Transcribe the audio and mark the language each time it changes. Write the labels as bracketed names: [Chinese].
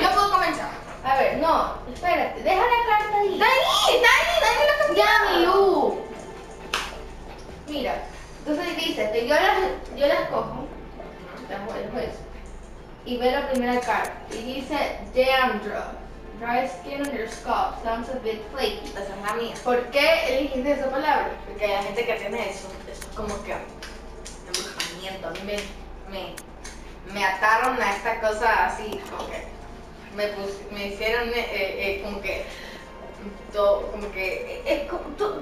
[Spanish] Yo puedo comenzar. A ver, no, espérate, deja la carta ahí. ¡Está ahí! ¡Está ahí! ¡Está ahí la carta! ¡Ya, mi Lu! Mira, entonces dice, yo las cojo, las juez, y ve la primera carta. Y dice, dandruff. [English] Dry skin on your scalp sounds a bit flaky. [Spanish] Esa es la mía. ¿Por qué elegiste esa palabra? Porque hay gente que tiene eso. Eso es como que embrujamiento. A mí me ataron a esta cosa así. Como que me hicieron como que todo, como que es como todo.